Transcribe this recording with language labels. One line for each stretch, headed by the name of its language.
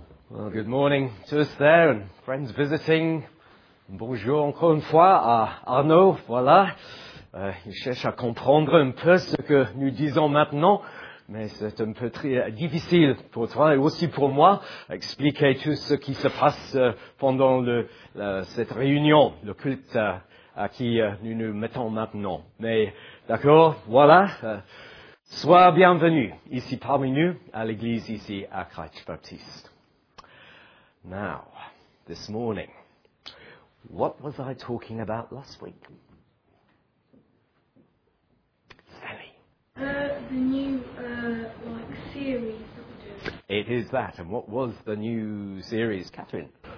English: Well, good morning to us there and friends visiting.
French: Bonjour encore une fois à Arnaud, voilà. Il cherche à comprendre un peu ce que nous disons maintenant, mais c'est un peu très difficile pour toi et aussi pour moi expliquer tout ce qui se passe pendant cette réunion, le culte à qui nous nous mettons maintenant. Mais d'accord, voilà. Sois bienvenue ici parmi nous à l'église ici à Christ Baptist.
English: Now, this morning, what was I talking about last week? Sally. The new series that we're doing. It is that. And what was the new series, Catherine?